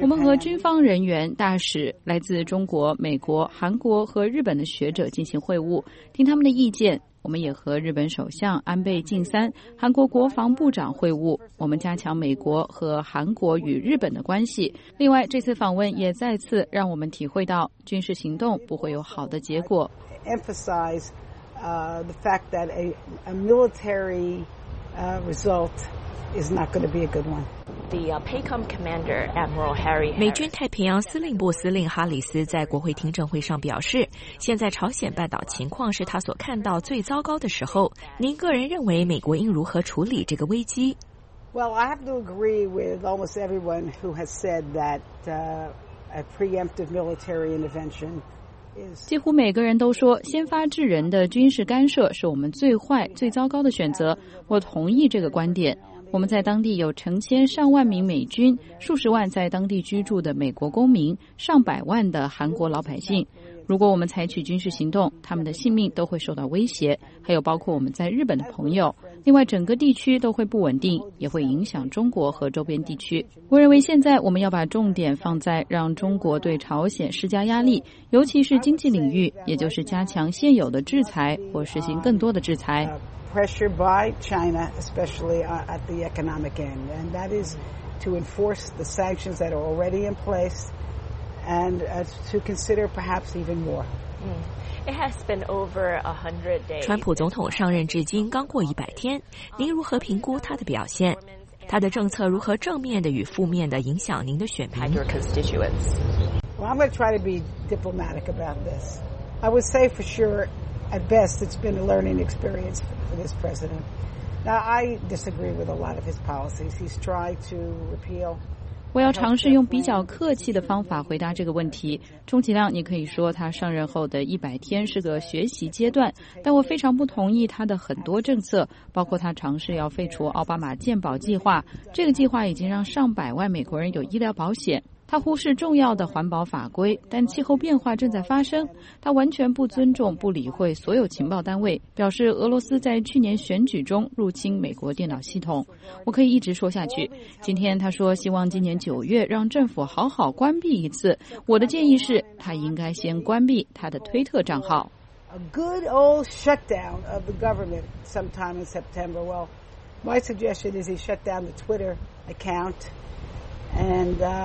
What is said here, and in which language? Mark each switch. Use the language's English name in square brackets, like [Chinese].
[Chinese] 我们和军方人员、大使、来自中国、美国、韩国和日本的学者进行会晤，听他们的意见。我们也和日本首相安倍晋三、韩国国防部长会晤，我们加强美国和韩国与日本的关系。另外，这次访问也再次让我们体会到军事行动不会有好的结果。 [English] Emphasize the fact that a military result is not going to be a good one. The PACOM commander Admiral Harry. [Chinese] 美军太平洋司令部司令哈里斯在国会听证会上表示，现在朝鲜半岛情况是他所看到最糟糕的时候。您个人认为美国应如何处理这个危机？ [English] Well, I have to agree with almost everyone who has said that a preemptive military intervention. [Chinese] 几乎每个人都说先发制人的军事干涉是我们最坏最糟糕的选择，我同意这个观点。我们在当地有成千上万名美军，数十万在当地居住的美国公民，上百万的韩国老百姓。如果我们采取军事行动，他们的性命都会受到威胁，还有包括我们在日本的朋友。另外，整个地区都会不稳定，也会影响中国和周边地区。我认为现在我们要把重点放在让中国对朝鲜施加压力，尤其是经济领域，也就是加强现有的制裁或实行更多的制裁。 [English] Pressure by China, especially at the economic end, and that is to enforce the sanctions that are already in place. And to consider perhaps even more. It has been over 100 days. [Chinese] 川普总统上任至今刚过100天，您如何评估他的表现？他的政策如何正面的与负面的影响您的选民 [English] ？Your constituents. Well, I'm going to try to be diplomatic about this. I would say for sure, at best, it's been a learning experience for this president. Now, I disagree with a lot of his policies. He's tried to repeal. [Chinese] 我要尝试用比较客气的方法回答这个问题。充其量你可以说他上任后的100天是个学习阶段，但我非常不同意他的很多政策，包括他尝试要废除奥巴马健保计划，这个计划已经让上百万美国人有医疗保险。他忽视重要的环保法规，但气候变化正在发生。他完全不尊重、不理会所有情报单位，表示俄罗斯在去年选举中入侵美国电脑系统。我可以一直说下去。今天他说希望今年九月让政府好好关闭一次。我的建议是，他应该先关闭他的推特账号。 [English] A good old shutdown of the government sometime in September. Well, my suggestion is he shut down the Twitter account and.